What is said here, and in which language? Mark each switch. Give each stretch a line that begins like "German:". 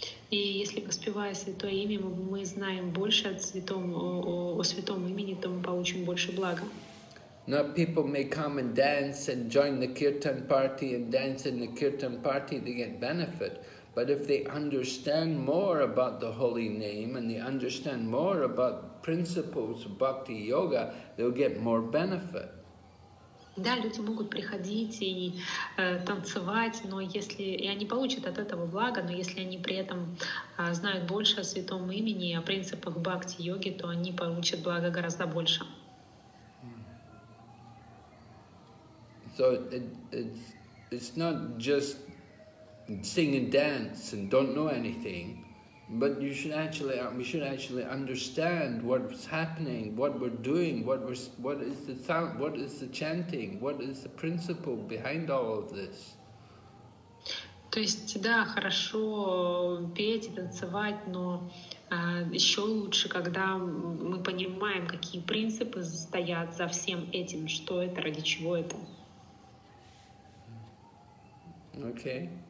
Russian: И если воспевая святое имя, мы знаем больше о святом имени, то мы получим больше блага.
English: Now people may come and dance and join the kirtan party and dance in the kirtan party to get benefit. But if they understand more about the holy name and they understand more about principles of bhakti yoga, they'll get more benefit.
Russian: Да, люди могут приходить и танцевать, но если и они получат от этого благо, но если они при этом знают больше о святом имени и о принципах бхакти йоги, то они получат благо гораздо больше.
English: So it's not just sing and dance and don't know anything, But you should actually, we should actually understand what's happening, what we're doing, what is the chanting, what is the principle behind all of this.
Russian: То есть, да, хорошо петь и танцевать, но еще лучше, когда мы понимаем, какие принципы стоят за всем этим, что это, ради чего это.
English: Okay.